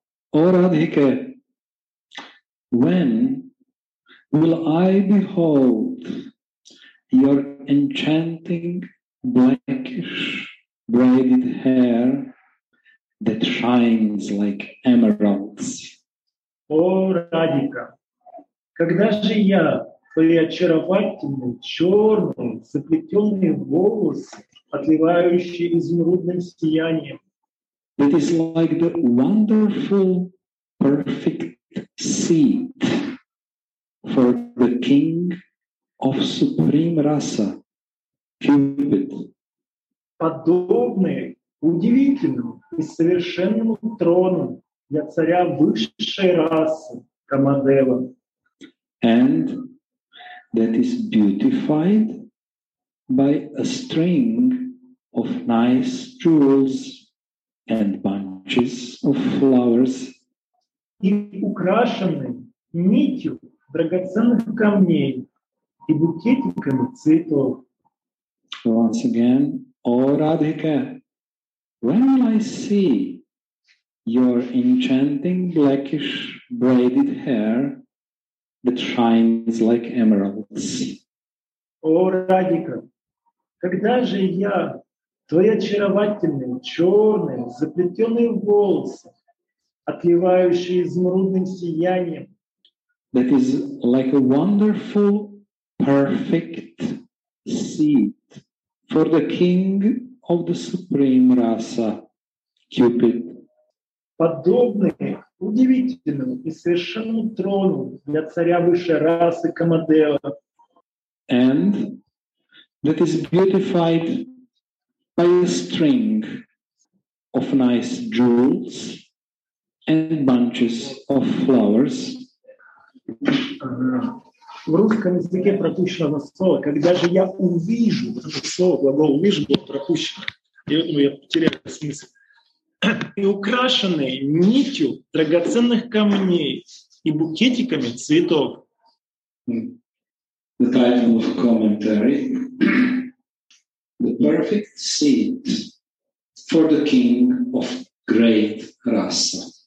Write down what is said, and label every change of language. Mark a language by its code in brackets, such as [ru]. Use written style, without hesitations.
[en] О, Радхике, when will I behold your enchanting blackish braided hair that shines like emeralds? [ru] О, Радхика, когда же я твои очаровательные, черные, заплетенные волосы, отливающие изумрудным сиянием. [en] It is like the wonderful, perfect seat for the king of supreme rasa, Cupid. [ru] Подобные удивительному и совершенному трону для царя высшей расы, Камадева. [en] And that is beautified by a string of nice jewels and bunches of flowers. [ru] И украшены нитью драгоценных камней и букетиками цветов. [en] Once again, O Radhika, when will I see your enchanting blackish braided hair that shines like emeralds? [ru] О, Радика, когда же я твои очаровательные черные заплетенные волосы, отливающие изумрудным сиянием? [en] That is like a wonderful, perfect seat for the king of the supreme rasa, Cupid. Подобные удивительному и совершенному трону для царя высшей расы Камадева. And that is beautified by a string of nice jewels and bunches of flowers. [ru] В русском языке пропущено слово. Когда же я увижу, слово, глагол увижу был пропущен. Я потеряю смысл. И украшенные нитью драгоценных камней и букетиками цветов. [en] The title of commentary: The perfect seat for the king of great rasa.